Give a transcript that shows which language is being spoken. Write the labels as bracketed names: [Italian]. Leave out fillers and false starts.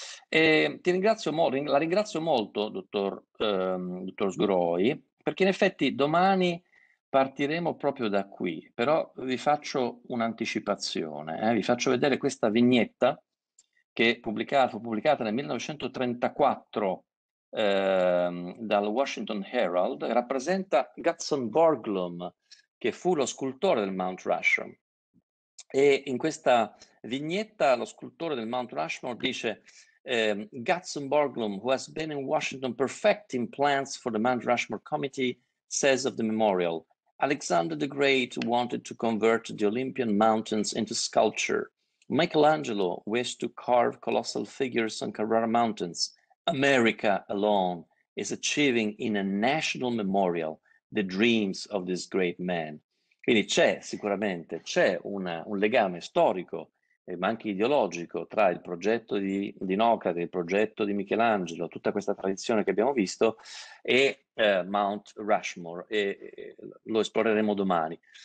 [Italian] La ringrazio molto, dottor Sgroi, perché in effetti domani partiremo proprio da qui, però vi faccio un'anticipazione. Vi faccio vedere questa vignetta che fu pubblicata nel 1934 dal Washington Herald. Rappresenta Gutzon Borglum, che fu lo scultore del Mount Rushmore. E in questa vignetta, lo scultore del Mount Rushmore dice: [English] Gutzon Borglum, who has been in Washington perfecting plans for the Mount Rushmore Committee, says of the memorial, Alexander the Great wanted to convert the Olympian mountains into sculpture. Michelangelo wished to carve colossal figures on Carrara mountains. America alone is achieving in a national memorial the dreams of this great man. [Italian] Quindi c'è sicuramente c'è un legame storico, ma anche ideologico, tra il progetto di Dinocrate, il progetto di Michelangelo, tutta questa tradizione che abbiamo visto, e Mount Rushmore, e lo esploreremo domani.